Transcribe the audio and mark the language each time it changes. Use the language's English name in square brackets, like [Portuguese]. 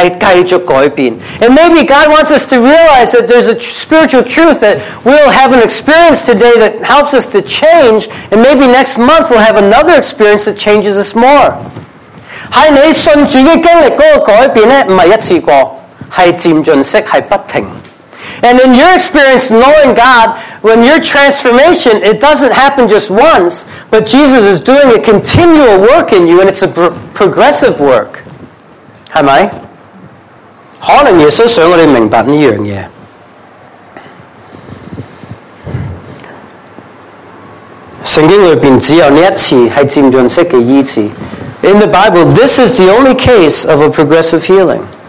[English] And maybe God wants us to realize that there's a spiritual truth that we'll have an experience today that helps us to change, and maybe next month we'll have another experience that changes us more. [Chinese] 是你信主的经历,那个改变呢,不是一次过,是渐进式,是不停。 [English] And in your experience, knowing God, when your transformation, it doesn't happen just once, but Jesus is doing a continual work in you, and it's a progressive work. Am I? [Chinese] 可能耶稣想我们明白这件事。圣经里面只有这一次是渐进式的医治。 [English] In the Bible, this is the only case of a progressive healing.